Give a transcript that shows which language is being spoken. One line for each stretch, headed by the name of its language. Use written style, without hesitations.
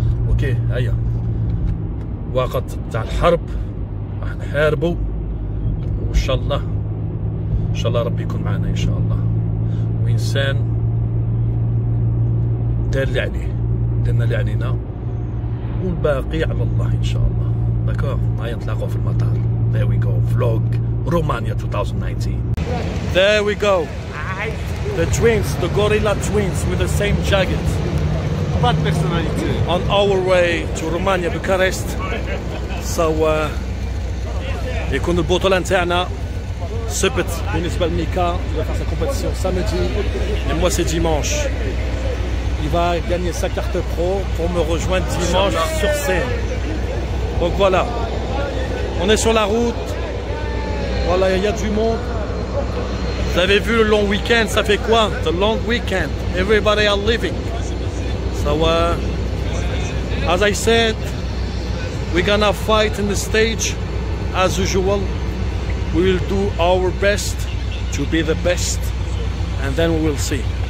Arabic: اوكي هيا وقت تاع الحرب راح نحاربوا وان شاء الله ان شاء الله ربي يكون معنا ان شاء الله. وانسان دار اللي عليه درنا اللي علينا والباقي على الله ان شاء الله. داكور هيا نتلاقوا في المطار.
English: There we go, vlog Romania 2019. There we go, the twins, the gorilla twins with the same jacket. Bad personality. On our way to Romania, Bucharest.
Arabic: So, يكون البطولة نتاعنا سبت بالنسبة لميكا اللي فاز الكومبيتيسيون سامدي.
French: Et moi c'est dimanche. Il va gagner sa carte pro pour me rejoindre dimanche sur scène. Donc voilà. On est sur la route, voilà, il y a du monde. Vous avez vu le long week-end, ça fait quoi?
English: The long weekend, everybody are leaving. So, as I said, we're gonna fight in the stage, as usual. We will do our best to be the best, and then we will see.